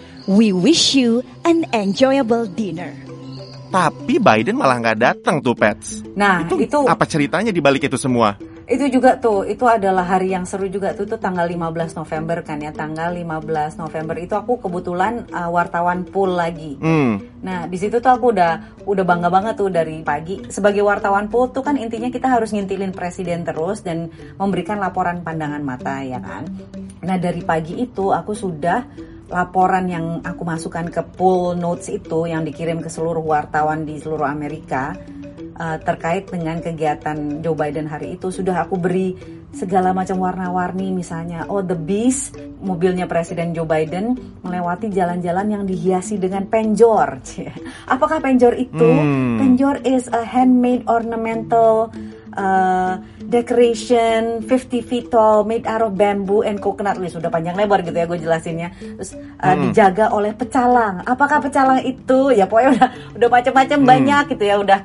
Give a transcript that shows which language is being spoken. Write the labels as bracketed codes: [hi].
[en] We wish you an enjoyable dinner. [id] Tapi Biden malah nggak datang tuh, Pets. Nah, itu apa ceritanya di balik itu semua? Itu juga tuh, itu adalah hari yang seru juga tuh. Itu tanggal 15 November kan ya. Tanggal 15 November itu aku kebetulan wartawan pool lagi. Nah, di situ tuh aku udah bangga banget tuh dari pagi. Sebagai wartawan pool tuh kan intinya kita harus ngintilin presiden terus dan memberikan laporan pandangan mata, ya kan? Nah, dari pagi itu aku sudah... laporan yang aku masukkan ke pool notes itu yang dikirim ke seluruh wartawan di seluruh Amerika terkait dengan kegiatan Joe Biden hari itu sudah aku beri segala macam warna-warni, misalnya the beast mobilnya Presiden Joe Biden melewati jalan-jalan yang dihiasi dengan penjor. Apakah penjor itu? [en] Penjor is a handmade ornamental decoration 50 feet tall made out of bamboo and coconut leaves. [id] Sudah panjang lebar gitu ya gue jelasinnya. Terus dijaga oleh pecalang. Apakah pecalang itu? Ya pokoknya udah macam-macam banyak gitu ya.